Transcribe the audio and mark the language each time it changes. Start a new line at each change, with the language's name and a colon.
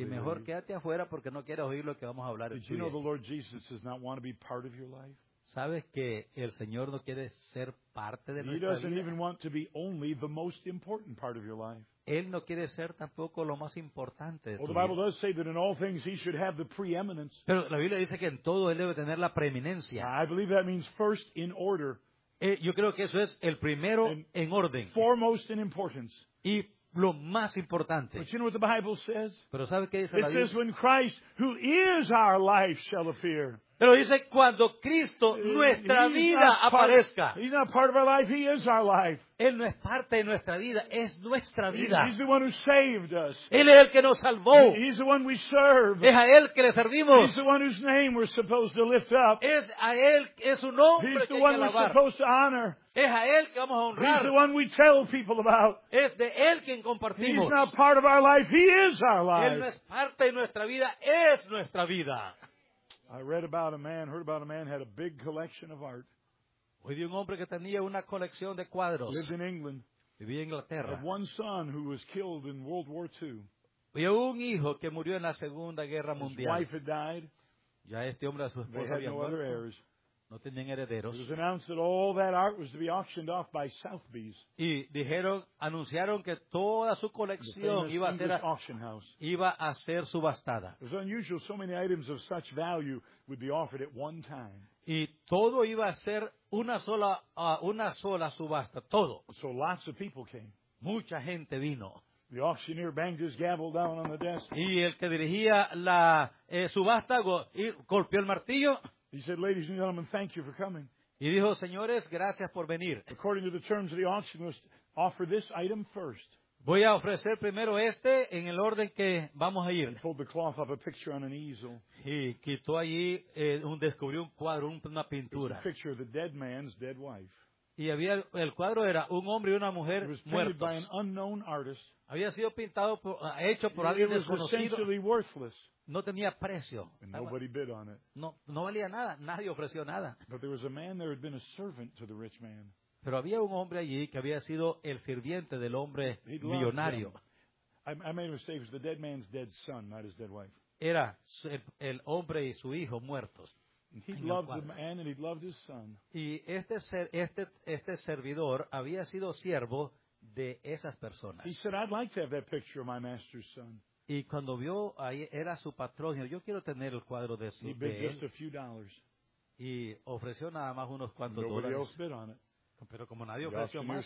Spanish: y mejor quédate afuera porque no quieres oír lo que vamos a hablar.
English: Did you know the Lord Jesus does not want to be part of your life?
Spanish: ¿Sabes que el Señor no quiere ser parte de nuestra vida?
English: He doesn't even want to be only the most important part of your life.
Spanish: Él no quiere ser tampoco lo más importante.
English: Well, the Bible does say that in all things he should have the preeminence.
Spanish: Pero la Biblia dice que en todo él debe tener la preeminencia.
English: I believe that means first in order.
Spanish: Yo creo que eso es el primero en orden.
English: Foremost in importance.
Spanish: Y lo más importante.
English: But you know what the Bible says?
Spanish: Pero ¿sabes qué dice la Biblia?
English: It says when Christ, who is our life, shall appear.
Spanish: Pero dice cuando Cristo nuestra vida aparezca.
English: He's not part of our life, he is our life.
Spanish: Él no es parte de nuestra vida, es nuestra vida.
English: He's the one who saved us.
Spanish: Él es el que nos salvó.
English: He's the one we serve.
Spanish: Es a él que le servimos.
English: He's the one whose name we're supposed to lift up.
Spanish: Es a él, es un nombre que hay que alabar.
English: We're supposed to honor.
Spanish: Es a él que vamos a honrar.
English: He's the one we tell people about.
Spanish: Es de él quien compartimos.
English: He's not part of our life, he is our life.
Spanish: Él no es parte de nuestra vida, es nuestra vida.
English: I read about a man, heard about a man had a big collection of art.
Spanish: Oye, un hombre que tenía una colección de cuadros.
English: Lived in England.
Spanish: Vivía en Inglaterra.
English: Had one son who was killed in World War II.
Spanish: Oye, un hijo que murió en la Segunda Guerra Mundial.
English: His wife had died.
Spanish: Ya este hombre, a su esposa,
English: they had
Spanish: había no muerto.
English: Other heirs.
Spanish: No tenían herederos.
English: It was announced that all that art was to be auctioned off by Sotheby's.
Spanish: Y dijeron, anunciaron que toda su colección iba a ser
English: auction house.
Spanish: Iba a ser subastada.
English: It was unusual so many items of such value would be offered at one time.
Spanish: Y todo iba a ser una sola subasta, todo.
English: So lots of people came.
Spanish: Mucha gente vino.
English: The auctioneer banged his gavel down on the desk.
Spanish: Y el que dirigía la subasta golpeó el martillo.
English: He said, "Ladies and gentlemen, thank you for coming."
Spanish: Y dijo, señores, gracias por venir.
English: According to the terms of the auction, we must offer this item first.
Spanish: Voy a ofrecer primero este en el orden que vamos a ir.
English: He pulled the cloth off a picture on an easel.
Spanish: Y quitó allí descubrió un cuadro, una pintura.
English: It was a picture of the dead man's dead wife.
Spanish: Y había el cuadro era un hombre y una mujer muertos.
English: It was painted by an unknown artist.
Spanish: Había sido pintado hecho por alguien desconocido.
English: It was essentially worthless.
Spanish: No tenía precio.
English: And nobody bid on it.
Spanish: No valía nada. Nadie ofreció nada.
English: But there was a man there who had been a servant to the rich man.
Spanish: Pero había un hombre allí que había sido el sirviente del hombre millonario.
English: I made a mistake. It was the dead man's dead son, not his dead wife.
Spanish: Era el hombre y su hijo muertos.
English: He loved the man and he loved his son.
Spanish: Y este servidor había sido siervo de esas personas.
English: He said, "I'd like to have that picture of my master's son."
Spanish: Y cuando vio ahí era su patrón, yo quiero tener el cuadro de su hijo.
English: He bid just a few dollars.
Spanish: Y ofreció nada más unos cuantos dólares. Pero como nadie ofreció más,